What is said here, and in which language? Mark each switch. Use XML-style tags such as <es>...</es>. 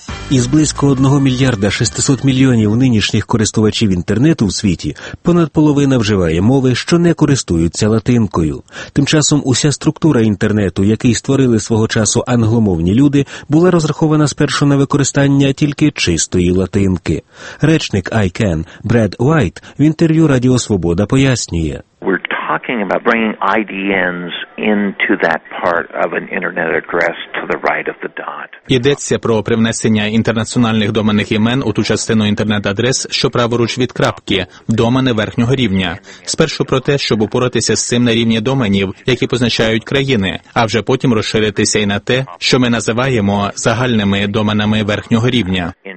<uk>Із близько 1 мільярда 600 мільйонів нинішніх користувачів інтернету в світі понад половина вживає мови, що не користуються латинкою. Тим часом уся структура інтернету, який створили свого часу англомовні люди, була розрахована спершу на використання тільки чистої латинки. Речник ICANN Бред Уайт в інтерв'ю Радіо Свобода пояснює.</uk> <en>Talking about bringing IDNs into that part of an internet address to the right of the dot.</en> <uk>Йдеться про привнесення інтернаціональних доменних імен у ту частину інтернет-адрес, що праворуч від крапки, домени верхнього рівня. Спершу про те, щоб упоратися з цим на рівні доменів, які позначають країни, а вже потім розширитися і на те, що ми називаємо загальними доменами верхнього рівня.</uk>